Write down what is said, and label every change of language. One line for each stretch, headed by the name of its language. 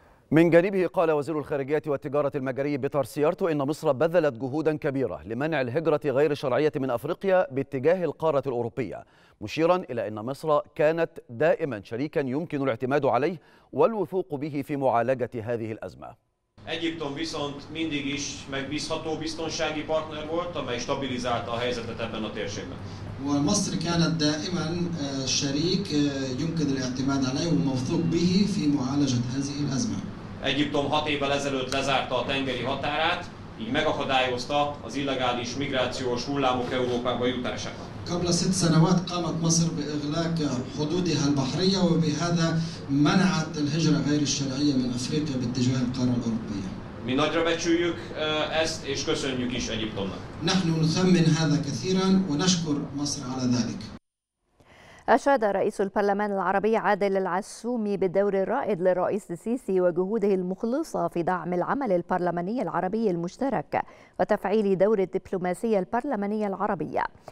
Arabic: من جانبه قال وزير الخارجية والتجارة المجري بيتر سيارتو إن مصر بذلت جهودا كبيرة لمنع الهجرة غير الشرعية من أفريقيا باتجاه القارة الأوروبية، مشيرا إلى أن مصر كانت دائما شريكا يمكن الاعتماد عليه والوثوق به في معالجة هذه الأزمة.
Hungarian: Egyiptom viszont mindig is megbízható biztonsági partner volt, amely stabilizálta a helyzetet ebben a térségben.
Arabic: مصر كانت دائما شريك يمكن الاعتماد عليه وموثوق به في معالجة هذه الأزمة.
Hungarian: Egyiptom 6 évvel ezelőtt lezárta a tengeri határát, így megakadályozta az illegális migrációs hullámok Európába jutását.
Arabic: قبل 6 سنوات قامت مصر بإغلاق حدودها البحرية وبهذا منعت الهجرة غير الشرعية من أفريقيا باتجاه القارة الأوروبية.
Hungarian: Mi nagyra becsüljük ezt, és köszönjük is Egyiptomnak.
Arabic: نحن نثمن هذا كثيرا ونشكر مصر على ذلك. أشاد رئيس البرلمان العربي عادل العسومي بالدور الرائد للرئيس السيسي وجهوده المخلصة في دعم العمل البرلماني العربي المشترك وتفعيل دور الدبلوماسية البرلمانية العربية.